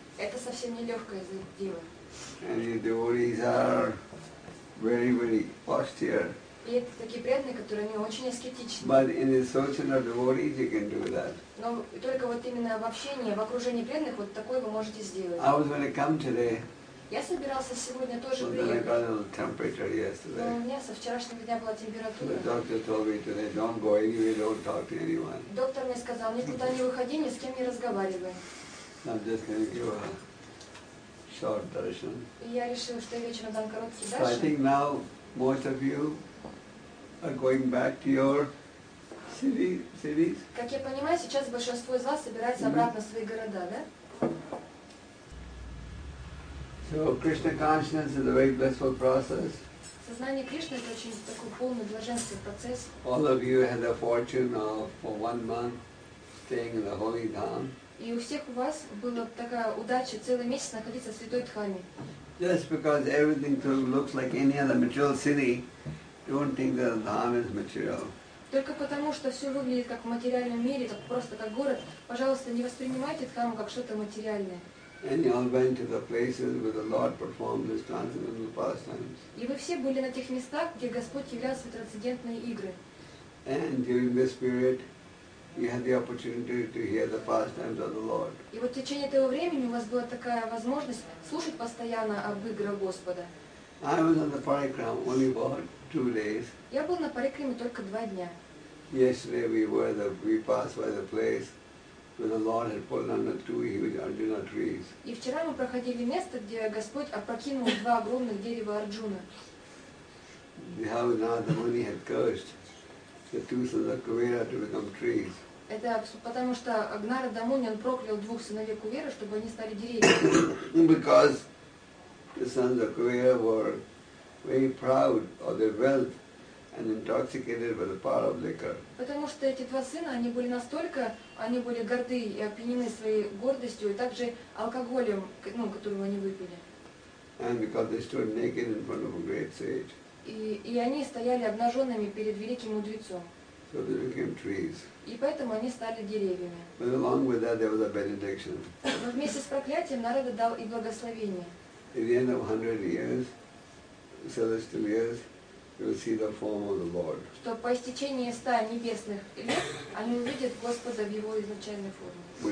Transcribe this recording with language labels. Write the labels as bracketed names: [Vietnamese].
[Russian] Это совсем нелегкое дело. [English] And your devotees are very, very austere. [Russian] И это такие преданные, которые они очень аскетичны. [English] But in the association of devotees, you can do that. [Russian] Но только вот именно в общении, в окружении преданных, вот такое вы можете сделать. [English] I was going to come today. [Russian] Я собирался сегодня тоже приехать. [English] But then I got a little temperature yesterday. [Russian] Но у меня со вчерашнего дня была температура. [English] The doctor told me today, don't go anywhere, don't talk to anyone. [Russian] Доктор мне сказал, никуда не выходи, ни с кем не разговаривай. [English] I'm just going to give a short darshan. So I think now most of you are going back to your cities. [Russian] Как я понимаю, сейчас большинство из вас собирается обратно в свои города, да? [English] So Krishna consciousness is a very blissful process. [Russian] Сознание Кришны — это очень такой полный блаженный процесс. [English] All of you had the fortune of for 1 month staying in the holy dham. [Russian] И у всех у вас была такая удача целый месяц находиться в Святой Дхаме. [English] Just because everything looks like any other material city, don't think that the Dham is material. [Russian] Только потому, что все выглядит как в материальном мире, так просто как город, пожалуйста, не воспринимайте Дхаму как что-то материальное. [English] And you all went to the places where the Lord performed His transcendental pastimes. [Russian] И вы все были на тех местах, где Господь являл свои трансцендентные игры. [English] And during this period, you had the opportunity to hear the pastimes of the Lord. [Russian] И вот в течение этого времени у вас была такая возможность слушать постоянно об играх Господа. [English] I was on the parikram only for 2 days. [Russian] Я был на парикраме только 2 дня. [English] Yesterday we passed by the place where the Lord had put on the 2 huge Arjuna trees. [Russian] И вчера мы проходили место, где Господь опрокинул 2 огромных дерева Арджуна. [English] How now the money had cursed the 2 sons of Kuvera to become trees. [Russian] Это потому что Гнара Дамуни, он проклял 2 сыновей Кувера, чтобы они стали деревьями. [English] Because the sons of Kuvera were very proud of their wealth and intoxicated by the power of liquor. [Russian] Потому что эти 2 сына, они были настолько, они были горды и опьянены своей гордостью, и также алкоголем, ну, которого они выпили. [English] And because they stood naked in front of a great sage. [Russian] И они стояли обнаженными перед великим мудрецом. [English] So they became trees. [Russian] И поэтому они стали деревьями. [English] But along with that, there was a benediction. [Russian] Но вместе с проклятием Нарада дал и благословение. [English] At the end of 100 years, celestial years, you will see the form of the Lord. [Russian] Что по истечении 100 небесных лет они увидят Господа в его изначальной форме.